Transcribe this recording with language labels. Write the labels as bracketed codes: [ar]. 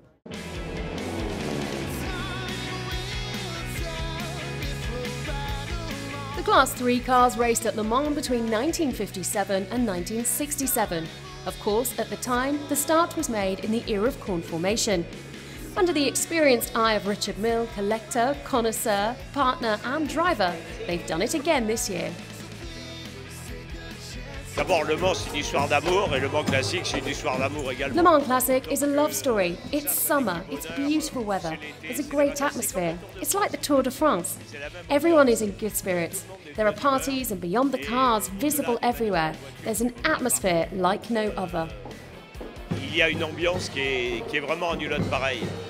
[en] The Class 3 cars raced at Le Mans between 1957 and 1967. Of course, at the time, the start was made in the era of corn formation. Under the experienced eye of Richard Mill, collector, connoisseur, partner and driver, they've done it again this year. [fr] D'abord, Le Mans, c'est une histoire d'amour, et Le Mans Classic, c'est une histoire d'amour également. [en] Le Mans Classic is a love story. It's summer, it's beautiful weather, there's a great atmosphere. It's like the Tour de France. Everyone is in good spirits. There are parties and beyond the cars, visible everywhere. There's an atmosphere like no other. [fr] Il y a une ambiance qui est vraiment nulle autre pareil.